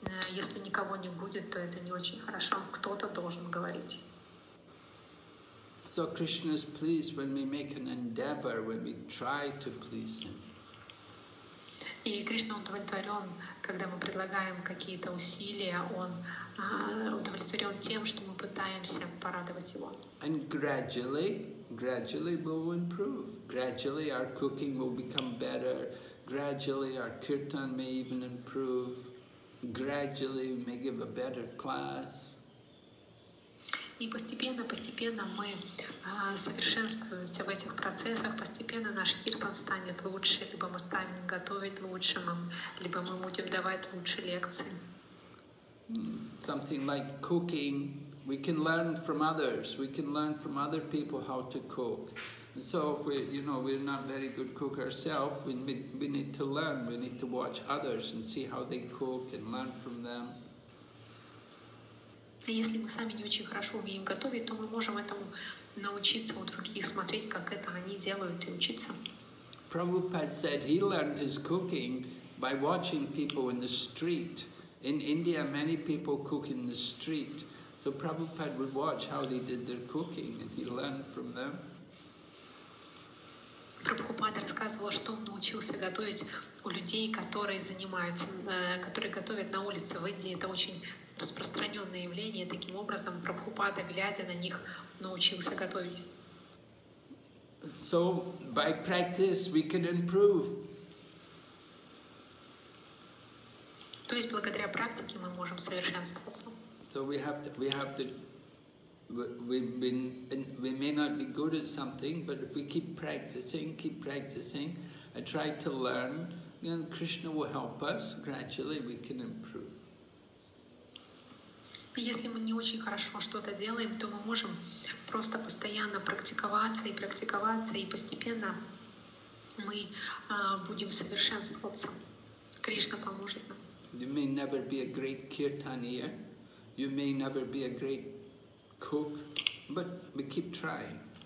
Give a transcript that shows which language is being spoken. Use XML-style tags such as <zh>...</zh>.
<ru>Если никого не будет, то это не очень хорошо. Кто-то должен говорить.</ru> <en>So Krishna is pleased when we make an endeavor, when we try to please him.</en> <ru>И Кришна удовлетворен, когда мы предлагаем какие-то усилия, он удовлетворен тем, что мы пытаемся порадовать его.</ru> <en>And gradually we'll improve. Gradually our cooking will become better. Gradually our kirtan may even improve. Gradually we may give a better class.</en> <ru>И постепенно мы совершенствуемся в этих процессах, постепенно наш киртан станет лучше, либо мы станем готовить лучше, либо мы будем давать лучше лекции.</ru> <en>Something like cooking, we can learn from others, we can learn from other people how to cook. And so if we, you know, we're not very good cook ourselves, we need to learn, we need to watch others and see how they cook and learn from them.</en> <ru>Если мы сами не очень хорошо умеем готовить, то мы можем этому научиться у других, смотреть, как это они делают, и учиться.</ru> <en>Prabhupada said he learned his cooking by watching people in the street. In India, many people cook in the street. So Prabhupada would watch how they did their cooking, and he learned from them.</en> <ru>Прабхупада рассказывал, что он научился готовить у людей, которые готовят на улице в Индии. Это очень распространенное явление. Таким образом, Прабхупада, глядя на них, научился готовить.</ru> <en>So by practice we can improve.</en> <ru>То есть благодаря практике мы можем совершенствоваться.</ru> <en>So we may not be good at something, but if we keep practicing, and try to learn, then Krishna will help us. Gradually we can improve.</en> <ru>Если мы не очень хорошо что-то делаем, то мы можем просто постоянно практиковаться, и постепенно мы будем совершенствоваться. Кришна поможет нам.</ru> <en>You may never be a great kirtanier, you may never be a great cook, but we keep trying.</en>